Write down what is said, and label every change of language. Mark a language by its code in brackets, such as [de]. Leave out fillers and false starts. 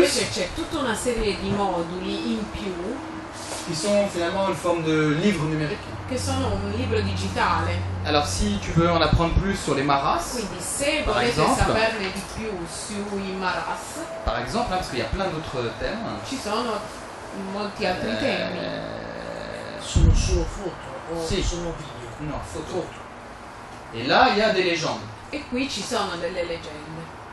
[it] Invece c'è tutta una serie di moduli in più. [fr] Qui sont finalement une forme de livre numérique. [it] Che sono un libro digitale. [fr] Alors si tu veux en apprendre plus sur les maras. [it] Quindi se volete saperne di più sui maras. [fr] Par exemple, parce qu'il y a plein d'autres thèmes. [it] Ci sono molti altri temi. Sono solo foto o si. Sono video. No, foto. [fr] Et là, il y a des légendes. [it] E qui ci sono delle leggende.